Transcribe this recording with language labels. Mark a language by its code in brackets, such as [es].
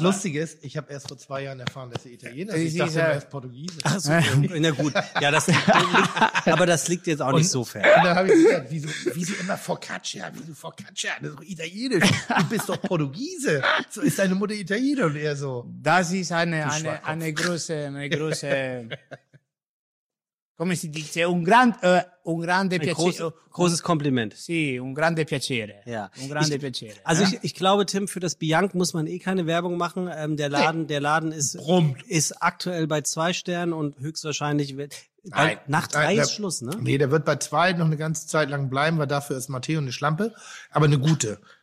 [de] Das Lustige ist, ich habe erst vor 2 Jahren erfahren, dass er Italiener ist. Ich dachte, er ist Portugiese. Ach so, okay. Na gut. Ja, das liegt, aber das liegt jetzt auch nicht so fern. Und dann habe ich gesagt, wieso immer Focaccia? Das ist doch Italienisch. Du bist doch Portugiese. So ist deine Mutter Italiener und er so. Das ist eine große. [it] Come si dice, un grande piacere, [de] großes Kompliment. [it] Sì, un grande piacere. [de] Ja. [it] Un grande piacere. [de] Also ja? Ich glaube, Tim, für das Bianc muss man keine Werbung machen. Der Laden ist aktuell bei 2 Sternen und höchstwahrscheinlich ist Schluss, ne? Nee, der wird bei 2 noch eine ganze Zeit lang bleiben, weil dafür ist Matteo eine Schlampe. Aber eine gute.